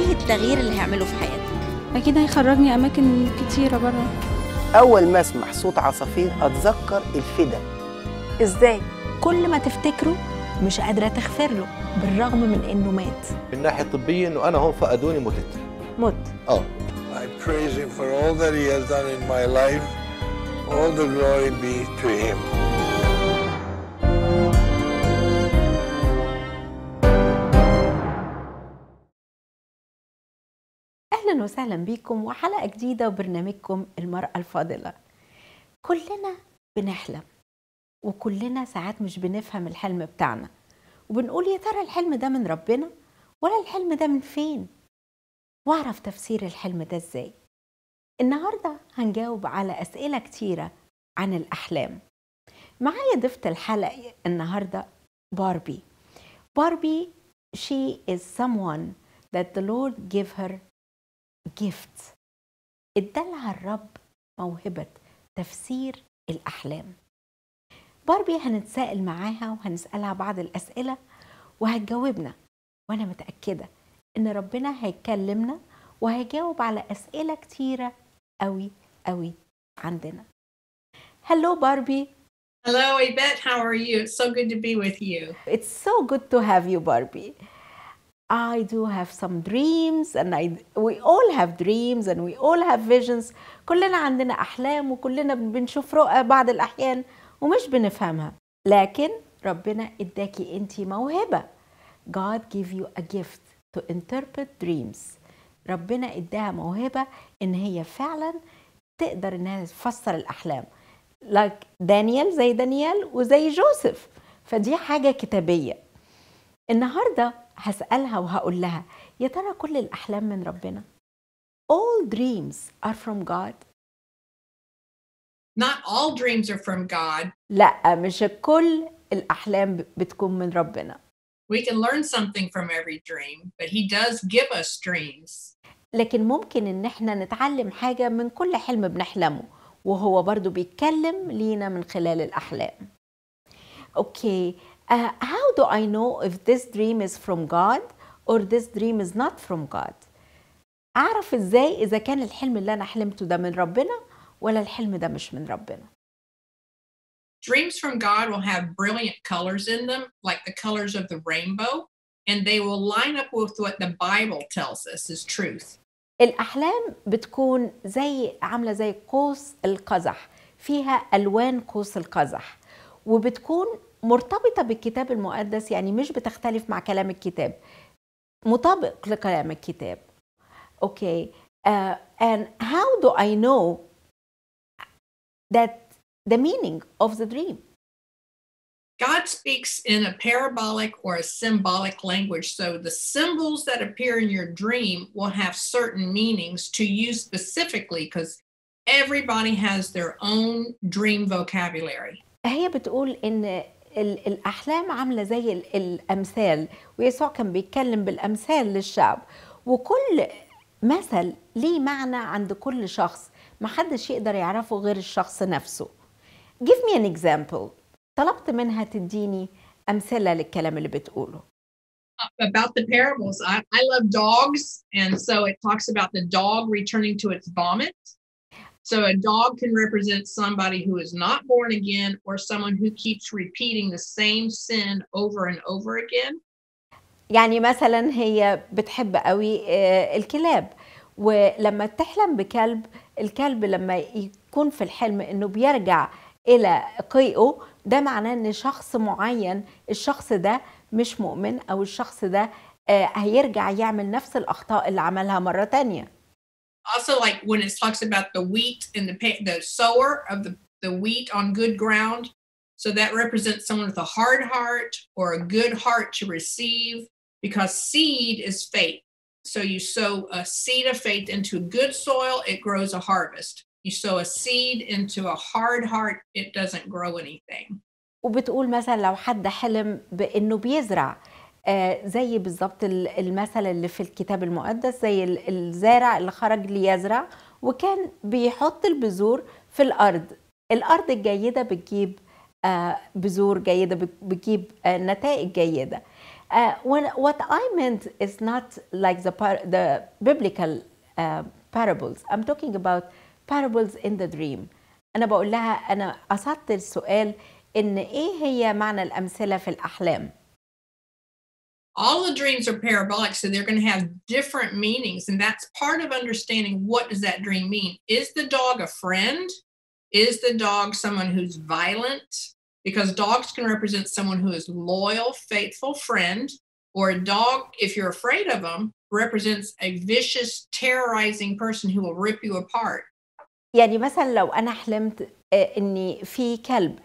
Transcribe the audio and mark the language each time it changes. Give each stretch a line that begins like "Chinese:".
Arabic: التغيير اللي هيعمله في حياتك؟ أكيد هيخرجني أماكن كتيرة بره. أول ما أسمع صوت عصافير أتذكر الفدا. إزاي؟ كل ما تفتكره مش قادرة تغفر له بالرغم من إنه مات. من ناحية طبية إنه أنا هون فقدوني متت. مت؟ آه.
English: I praise him for all that he has done in my life. All the glory be to him.
Arabic: أهلا وسهلا بيكم وحلقة جديدة وبرنامجكم المرأة الفاضلة. كلنا بنحلم وكلنا ساعات مش بنفهم الحلم بتاعنا، وبنقول يا ترى الحلم ده من ربنا ولا الحلم ده من فين، واعرف تفسير الحلم ده ازاي. النهاردة هنجاوب على أسئلة كتيرة عن الأحلام. معايا ضيفت الحلقة النهاردة باربي. باربي
English: she is someone that the Lord gave her
Arabic: جيفت، ادالها الرب موهبة تفسير الأحلام. باربي هنتسائل معاها وهنسألها بعض الأسئلة وهتجاوبنا، وأنا متأكدة إن ربنا هيكلمنا وهيجاوب على أسئلة كتيرة قوي قوي عندنا. هلو باربي.
English: Hello Yvette, how are you? So good to be with you. It's so good to have you, Barbie. I do have some dreams and we all have dreams and we all have visions.
Arabic: كلنا عندنا أحلام وكلنا بنشوف رؤى بعض الأحيان ومش بنفهمها، لكن ربنا اداكي انتي موهبة.
English: God give you a gift to interpret dreams.
Arabic: ربنا اداها موهبة ان هي فعلا تقدر انها تفسر الأحلام like دانيال، زي دانيال وزي جوزيف، فدي حاجة كتابية. النهاردة هسألها وهقول لها يا ترى كل الأحلام من ربنا؟
English: All dreams are from God. Not all dreams are from God.
Arabic: لا، مش كل الأحلام بتكون من ربنا.
English: We can learn something from every dream, but he does give us dreams.
Arabic: لكن ممكن ان احنا نتعلم حاجة من كل حلم بنحلمه، وهو برضو بيتكلم لينا من خلال الأحلام.
English: Okay, how do I know if this dream is from God or this dream is not from God؟
Arabic: أعرف إزاي إذا كان الحلم اللي أنا حلمته ده من ربنا ولا الحلم ده مش من ربنا؟
English: Dreams from God will have brilliant colors in them, like the colors of the rainbow, and they will line up with what the Bible tells us is truth.
Arabic: الأحلام بتكون زي عاملة زي قوس القزح، فيها ألوان قوس القزح، وبتكون مرتبطة بالكتاب المقدس، يعني مش بتختلف مع كلام الكتاب، مطابق لكلام الكتاب.
English: Okay, and how do I know that the meaning of the dream? God speaks in a parabolic or a symbolic language, so the symbols that appear in your dream will have certain meanings to use specifically, because everybody has their own dream vocabulary.
Arabic: هي بتقول إن الأحلام عاملة زي الأمثال، ويسوع كان بيتكلم بالأمثال للشعب، وكل مثل ليه معنى عند كل شخص، محدش يقدر يعرفه غير الشخص نفسه.
English: Give me an example.
Arabic: طلبت منها تديني أمثلة للكلام اللي بتقوله.
English: About the parables, I love dogs, and so it talks about the dog returning to its vomit. So a dog can represent somebody who is not born again or someone who keeps repeating the same sin over and over again.
Arabic: يعني مثلا هي بتحب قوي الكلاب ولما تحلم بكلب الكلب لما يكون في الحلم انه بيرجع الى قيئه ده معناه ان شخص معين الشخص ده مش مؤمن او الشخص ده هيرجع يعمل نفس الاخطاء اللي عملها مره ثانيه.
English: Also like when it talks about the wheat and the sower of the wheat on good ground. So that represents someone with a hard heart or a good heart to receive because seed is faith. So you sow a seed of faith into good soil, it grows a harvest. You sow a seed into a hard heart, it doesn't grow anything.
Arabic: وبتقول مثلا لو حد حلم بانه بيزرع زي بالضبط المثل اللي في الكتاب المقدس زي الزارع اللي خرج ليزرع وكان بيحط البذور في الارض الارض الجيده بتجيب بذور جيده بتجيب نتائج جيده.
English: What I meant is not like the biblical parables. I'm talking about parables in the dream.
Arabic: انا بقول لها انا قصدت السؤال ان ايه هي معنى الامثله في الاحلام.
English: All the dreams are parabolic, so they're going to have different meanings. And that's part of understanding what does that dream mean. Is the dog a friend? Is the dog someone who's violent? Because dogs can represent someone who is loyal, faithful friend. Or a dog, if you're afraid of them, represents a vicious, terrorizing person who will rip you apart.
Arabic: يعني مثلا لو أنا حلمت أني في كلب.